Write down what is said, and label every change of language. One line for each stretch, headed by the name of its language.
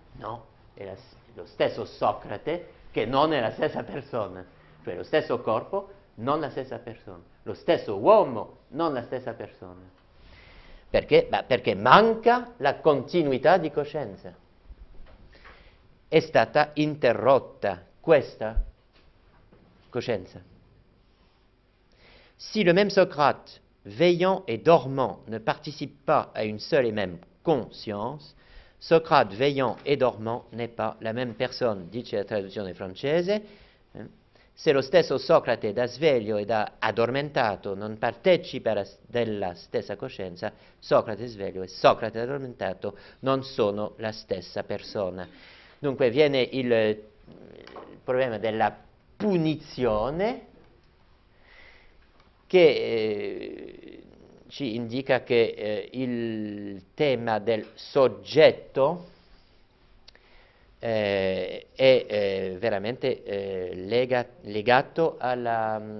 Italian: No, è lo stesso Socrate che non è la stessa persona, cioè lo stesso corpo, non la stessa persona, lo stesso uomo, non la stessa persona. Perché? Beh, perché manca la continuità di coscienza. È stata interrotta questa coscienza.
French: Si le même Socrate, veillant et dormant, ne participe pas à une seule et même conscience, Socrate, veillant et dormant, n'est pas la même personne,
Italian: dice la traduzione francese. Se lo stesso Socrate da sveglio e da addormentato non partecipa della stessa coscienza, Socrate sveglio e Socrate addormentato non sono la stessa persona. Dunque viene il problema della punizione che ci indica che il tema del soggetto è veramente legato alla